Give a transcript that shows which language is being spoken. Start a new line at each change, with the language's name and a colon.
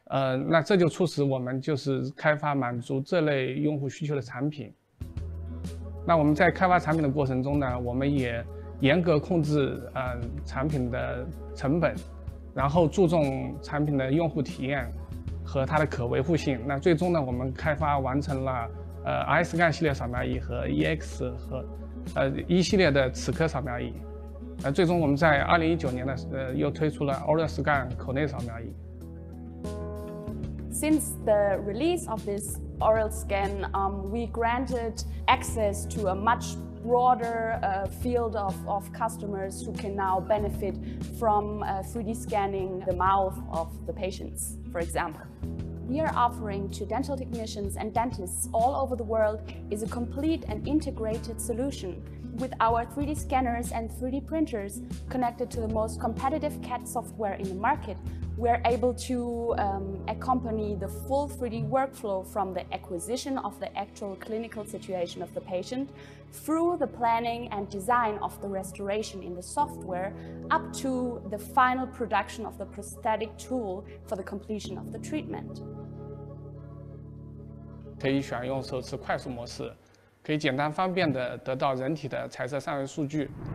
Chinese: 那这就促使我们就是开发满足这类用户需求的产品。那我们在开发产品的过程中呢，我们也严格控制产品的成本，然后注重产品的用户体验和它的可维护性。那最终呢，我们开发完成了iScan系列扫描仪和EX和一系列的齿科扫描仪。最终我们在2019年呢，又推出了 OrderScan 口内扫描仪。
English: Since the release of oral scan, we granted access to a much broader field of customers who can now benefit from 3D scanning the mouth of the patients, for example. We are offering to dental technicians and dentists all over the world is a complete and integrated solution with our 3D scanners and 3D printers connected to the most competitive CAD software in the market, we're able to accompany the full 3D workflow from the acquisition of the actual clinical situation of the patient through the planning and design of the restoration in the software up to the final production of the prosthetic tool for the completion of the treatment.
Chinese: 可以选用手持快速模式, 可以简单方便地得到人体的彩色三维数据。